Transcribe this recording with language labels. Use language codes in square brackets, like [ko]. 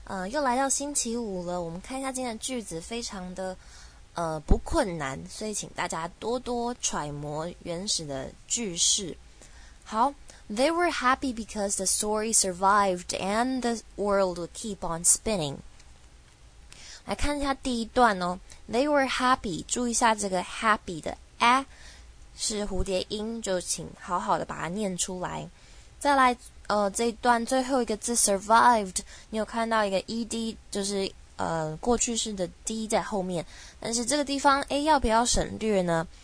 [zh] 又来到星期五了，我们看一下今天的句子，非常的不困难，所以请大家多多揣摩原始的句式。 [en] 好， They were happy because the story survived and the world would keep on spinning. [zh] 来看一下第一段哦， [en] They were happy, [zh] 注意一下这个 happy 的 a 是蝴蝶音，就请好好的把它念出来。再来这一段最后一个字 survived, 你有看到一个 ed, 就是过去式的 d 在后面，但是这个地方 a 要不要省略呢？